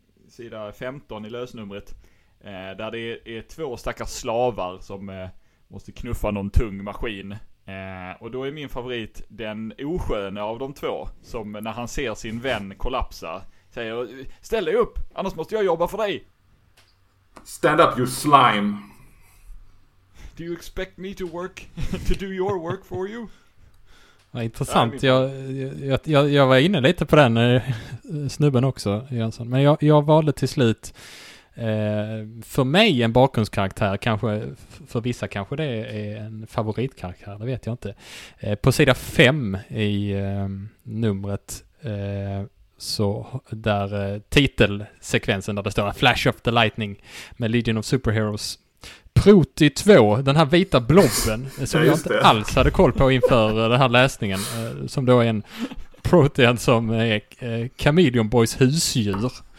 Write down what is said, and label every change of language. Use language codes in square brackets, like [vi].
[sv] sida 15 i lösnumret. Där det är två stackars slavar som måste knuffa någon tung maskin. Och då är min favorit den osköna av de två. Som när han ser sin vän kollapsa säger: ställ dig upp, annars måste jag jobba för dig. [en] Stand up, you slime. Do you expect me to work to do your work for you? [sv] Ja, intressant. Jag var inne lite på den snubben också, Jönsson. Men jag valde till slut för mig en bakgrundskaraktär, kanske för vissa kanske det är en favoritkaraktär, det vet jag inte. På sida 5 i numret så där titelsekvensen där det står Flash of the Lightning med Legion of Superheroes Proti 2, den här vita blobben som jag inte alls hade koll på inför den här läsningen, som då är en protein som är Chameleon Boys husdjur.